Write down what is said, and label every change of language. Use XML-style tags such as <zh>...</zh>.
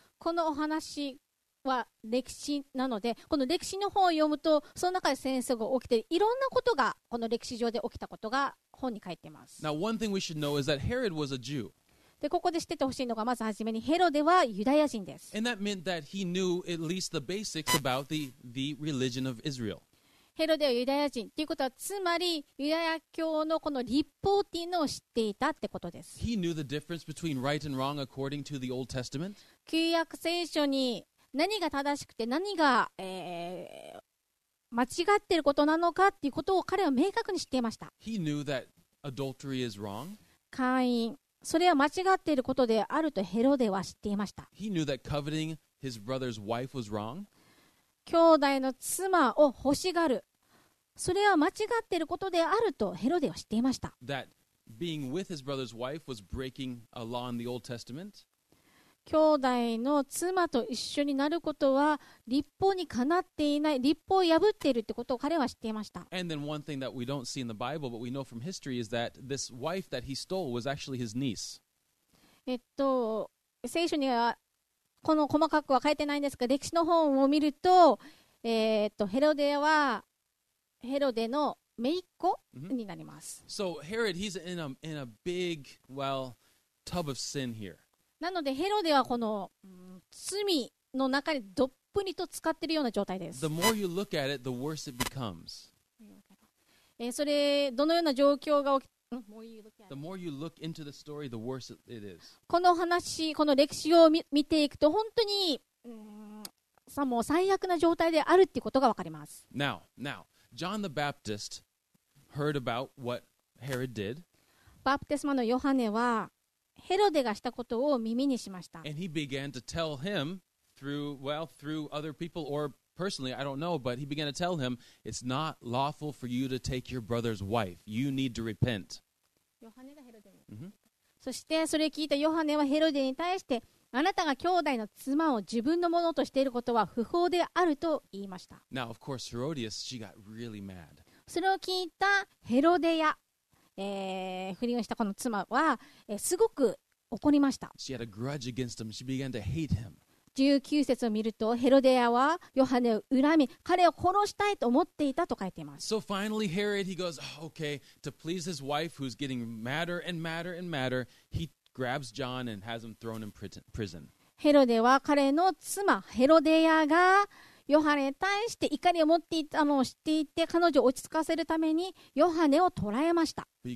<ja>このお話は歴史なので、この歴史の本を読むと、その中で戦争が起きて、いろんなことがこの歴史上で起きたことが本に書いています。</ja> <en>Now, one thing we should know is that Herod was a Jew.</en> <ja>でここで知っててほしいのがまずはじめにヘロデはユダヤ人です。</ja> <en>And that meant that he knew at least the basics about the religion of Israel.</en> <ja>ヘロデはユダヤ人ということはつまりユダヤ教のこの立法っていうのを知っていたってことです。</ja> <en>He knew the difference between right and wrong according to the Old Testament.</en> <ja>旧約聖書に何が正しくて何が、間違っていることなのかっていうことを彼は明確に知っていました。</ja> <en>He knew that adultery is wrong.</en> <ja>姦淫それは間違っていることであるとヘロデは知っていました。</ja> <en>He knew that coveting his brother's wife was wrong.</en> <ja>兄弟の妻を欲しがる。それは間違っていることであるとヘロデは知っていました。</ja> <en>That being with his brother's wife was breaking a law in the Old Testament.</en> <ja>兄弟の妻と一緒になることは立法にかなっていない、立法を破っているってことを彼は知っていました。</ja> <en>And then one thing that we don't see in the Bible, but we know from history, is that this wife that he stole was actually his niece.</en> <ja>聖書にはこの細かくは書いてないんですが、歴史の本を見ると、ヘロデはヘロデの姪っ子になります。</ja> <en>Mm-hmm. So Herod, he's in a big, well, tub of sin here.</en> <ja>なのでヘロデはこの罪の中にどっぷりと使っているような状態です。</ja> <en>The more you look at it, the worse it becomes.</en> <ja>それどのような状況が起き、</ja> <en>The more you look into the story, the worse it is.</en> <ja>この話、この歴史を見ていくと本当にさもう最悪な状態であるっていうことがわかります。</ja> <en>Now, John the Baptist heard about what Herod did.</en> <ja>バプテスマのヨハネはヘロデがしたことを耳にしました。</ja> <en>And he began to tell him through, well, through other people or personally, I don't know, but he began to tell him, it's not lawful for you to take your brother's wife. You need to repent.</en> <ja>ヨハネがヘロデに。そしてそれ聞いたヨハネはヘロデに対して、あなたが兄弟の妻を自分のものとしていることは不法であると言いました。</ja> <en>Now, of course, Herodias, she got really mad.</en> <ja>それを聞いたヘロデや、不倫をしたこの妻は、すごく怒りました。</ja> <en>She had a grudge against him. She began to hate him.</en> <ja>19節を見ると、ヘロデアはヨハネを恨み、彼を殺したいと思っていたと書いています。</ja> <en>So finally, Herod, he goes, okay, to please his wife, who's getting madder and madder and madder, he grabs John and has him thrown in prison.</en> <ja>ヘロデは彼の妻、ヘロデアが、ヨハネに対して怒りを持っていたのを知っていて彼女を落ち着かせるためにヨハネを捕らえました。</ja>